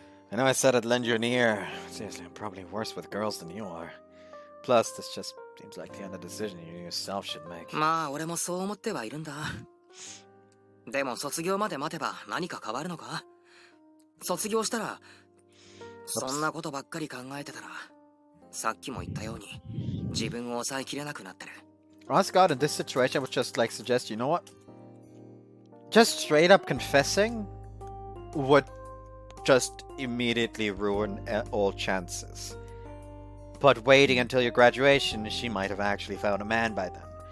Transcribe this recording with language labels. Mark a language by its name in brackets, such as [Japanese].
[English] I know I said I'd lend you an ear. Seriously, I'm probably worse with girls than you are. Plus, this just seems like the kind of decision you yourself should make. [Japanese] まあ、俺もそう思ってはいるんだ。でも卒業までまでは何か変わるのか？卒業したらそんなことばっかり考えてたら、さっきも言ったように自分を抑えきれなくなってる。 [English] Honest God, in this situation, I would just like suggest, you know what? Just straight up confessing would just immediately ruin all chances. But waiting until your graduation, she might have actually found a man by then.